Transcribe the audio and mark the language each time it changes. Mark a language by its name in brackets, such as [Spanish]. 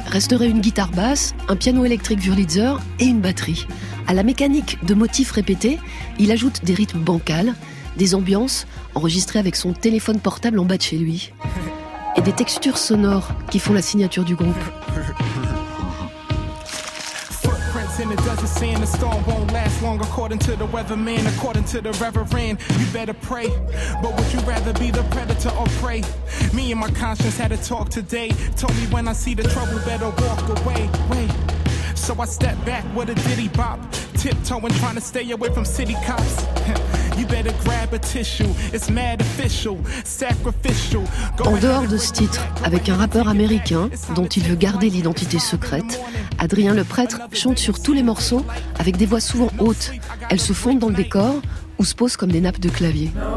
[French] Resterait une guitare basse, un piano électrique Wurlitzer et une batterie. À la mécanique de motifs répétés, il ajoute des rythmes bancals, des ambiances enregistrées avec son téléphone portable en bas de chez lui et des textures sonores qui font la signature du groupe. [English] And it does sand, the storm won't last long according to the weatherman, according to the reverend. You better pray, but would you rather be the predator or prey? Me and my conscience had a talk today, told me when I see the trouble better walk away. Wait, so I step back with a diddy bop, tiptoeing trying to stay away from city cops. You better grab a tissue, it's mad official, sacrificial. [French] En dehors de ce titre, avec un rappeur américain dont il veut garder l'identité secrète, Adrien Leprêtre chante sur tous les morceaux avec des voix souvent hautes. Elles se fondent dans le décor ou se posent comme des nappes de clavier.